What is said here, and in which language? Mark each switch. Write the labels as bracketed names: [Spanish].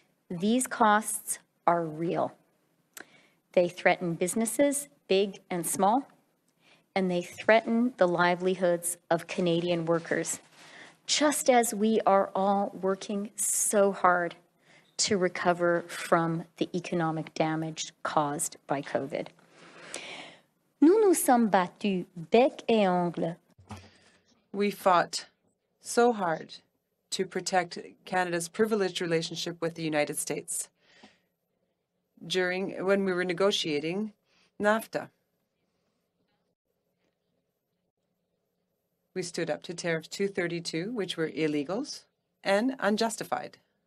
[English] These costs are real. They threaten businesses, big and small, and they threaten the livelihoods of Canadian workers, just as we are all working so hard to recover from the economic damage caused by COVID. [French] Nous nous sommes battus bec et ongle. [English] We fought so hard to protect Canada's privileged relationship with the United States during when we were negotiating NAFTA. We stood up to tariffs 232, which were illegals and unjustified.